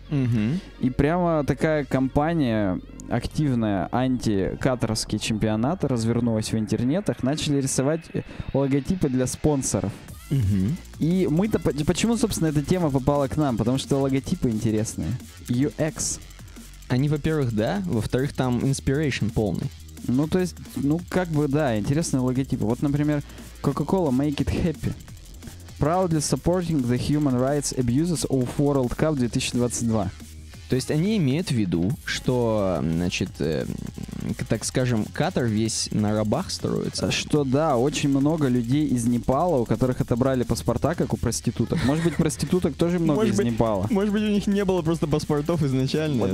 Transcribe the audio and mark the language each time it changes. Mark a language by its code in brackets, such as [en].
[ru] И прямо такая кампания активная, анти-катарский чемпионат развернулась в интернетах, начали рисовать логотипы для спонсоров. И мы-то... Почему, собственно, эта тема попала к нам? Потому что логотипы интересные. UX. Они, во-первых, да, во-вторых, там inspiration полный. Ну, то есть, ну, как бы, да, интересные логотипы. Вот, например, [en] Coca-Cola, make it happy. Proudly supporting the human rights abuses of World Cup 2022. [ru] То есть, они имеют в виду, что, значит, так скажем, Катар весь на рабах строится. Что да, очень много людей из Непала, у которых отобрали паспорта, как у проституток. Может быть, проституток тоже много из Непала. Может быть, у них не было просто паспортов изначально.